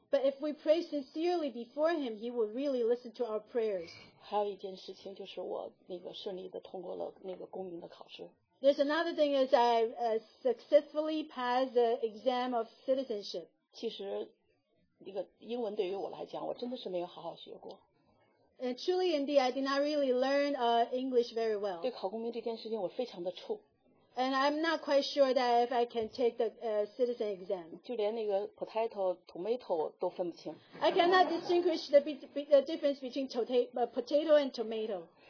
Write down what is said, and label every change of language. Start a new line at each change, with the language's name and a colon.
English: But if we pray sincerely before Him, He would really listen to our prayers.
Chinese: 还有一件事情就是我那个顺利的通过了那个公民的考试。
English: There's another thing is I successfully passed the exam of citizenship.
Chinese: 其实那个英文对于我来讲，我真的是没有好好学过。
English: And truly, indeed, I did not really learn English very well.
Chinese: 对考公民这件事情，我非常的怵。And
English: I'm not quite sure that if I can take the citizen exam.
Chinese: 就连那个 potato tomato 都分不清。I
English: cannot distinguish the difference between potato and tomato.